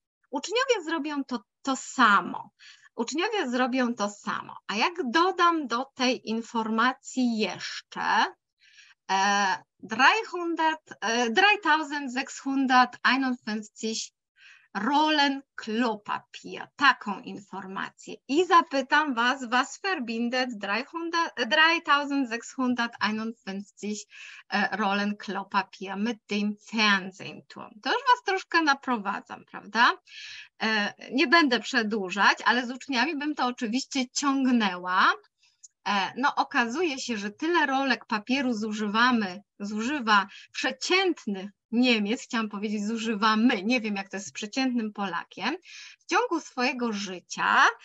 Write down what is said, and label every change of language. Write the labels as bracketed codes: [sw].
[pl] Uczniowie zrobią to samo. Uczniowie zrobią to samo. A jak dodam do tej informacji jeszcze [de] 3651 Rollen Klopapier, [pl] taką informację. I zapytam Was, [de] was verbindet 3651 Rollen Klopapier mit dem Fernsehturm? [pl] To już Was troszkę naprowadzam, prawda? Nie będę przedłużać, ale z uczniami bym to oczywiście ciągnęła. No, okazuje się, że tyle rolek papieru zużywa przeciętny Niemiec, chciałam powiedzieć, zużywamy, nie wiem jak to jest z przeciętnym Polakiem, w ciągu swojego życia.